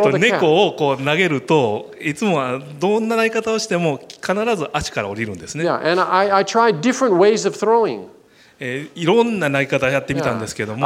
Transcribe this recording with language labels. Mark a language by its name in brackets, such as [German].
[Japanese] 猫をこう投げるといつもはどんな投げ方をしても必ず足から降りるんですね。 [English] Yeah, and I tried different ways of throwing. [Japanese] いろんな投げ方をやってみたんですけども。